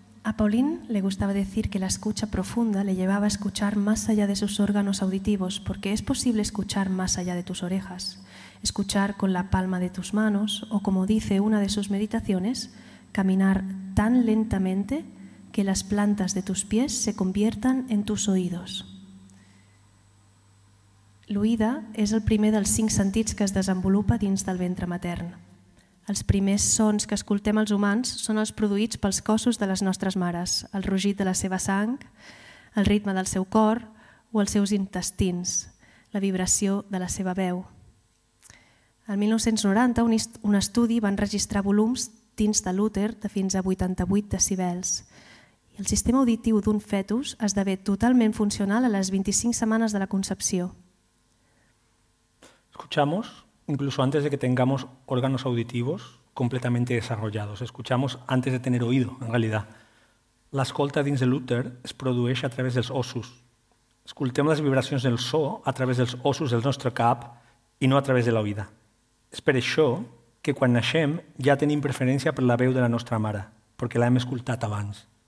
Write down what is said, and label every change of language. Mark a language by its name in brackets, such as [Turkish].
[Spanish] A Pauline le gustaba decir que la escucha profunda le llevaba a escuchar más allá de sus órganos auditivos, porque es posible escuchar más allá de tus orejas, escuchar con la palma de tus manos, o como dice una de sus meditaciones, caminar tan lentamente que las plantas de tus pies se conviertan en tus oídos. [Catalan] L'oïda és el primer dels cinc sentits que es desenvolupa dins del ventre matern. Els primers sons que escoltem els humans són els produïts pels cossos de les nostres mares, el rugit de la seva sang, el ritme del seu cor o els seus intestins, la vibració de la seva veu. El 1990, un estudi va enregistrar volums dins de l'úter de fins a 88 decibels. I el sistema auditiu d'un fetus esdevé totalment funcional a les 25 setmanes de la concepció. [Spanish] Escuchamos incluso antes de que tengamos órganos auditivos completamente desarrollados. Escuchamos antes de tener oído, en realidad. [Catalan] L'escolta dins de l'úter es produeix a través dels ossos. Escoltem les vibracions del so a través dels ossos del nostre cap i no a través de l'oïda. És per això que quan naixem ja tenim preferència per la veu de la nostra mare, perquè l'hem escoltat abans.